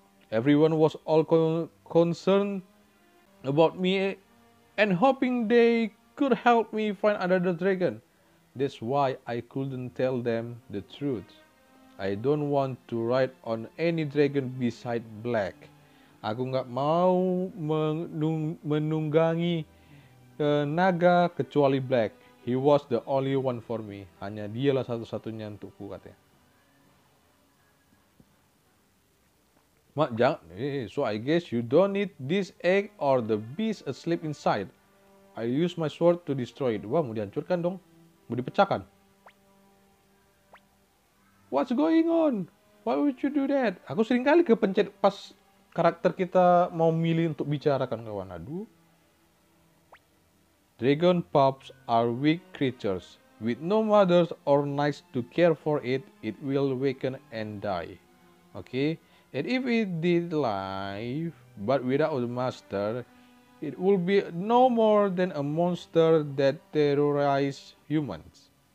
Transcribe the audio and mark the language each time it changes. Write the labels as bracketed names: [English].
[English] Everyone was all concerned about me and hoping they could help me find another dragon. That's why I couldn't tell them the truth. I don't want to ride on any dragon beside Black. [Indonesian] Aku gak mau menunggangi naga kecuali Black. [English] He was the only one for me. [Indonesian] Hanya dialah satu-satunya untukku, katanya. Mak, jangan. [English] So I guess you don't need this egg or the beast asleep inside. I use my sword to destroy it. [Indonesian] Wah, mau dihancurkan dong. Mau dipecahkan. [English] What's going on? Why would you do that? [Indonesian] Aku sering kali kepencet pas karakter kita mau milih untuk bicara, kan, kawan. Aduh. [English] Dragon pups are weak creatures. With no mothers or knights to care for it, it will weaken and die. Okay? And if it did live, but without a master, it will be no more than a monster that terrorizes humans.